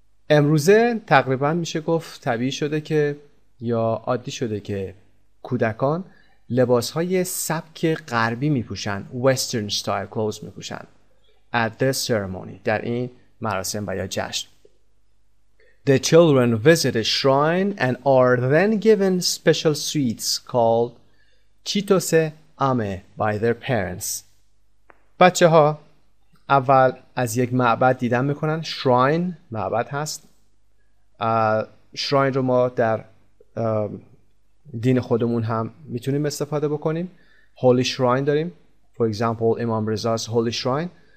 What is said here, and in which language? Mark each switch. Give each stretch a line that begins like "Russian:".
Persian: امروزه تقریبا میشه گفت طبیعی شده که یا عادی شده که کودکان لباسهای سبک غربی میپوشن،
English: Western style clothes
Persian: میپوشن.
English: At this ceremony,
Persian: در این مراسم و یا جشن.
English: The children visit a shrine and are then given special sweets called chitose ame by their parents.
Persian: بچه ها اول از یک معبد دیدن میکنن. Shrine معبد هست. Shrine رو ما در دین خودمون هم میتونیم استفاده بکنیم.
English: Holy shrine
Persian: داریم.
English: For example, Imam رضا's holy shrine.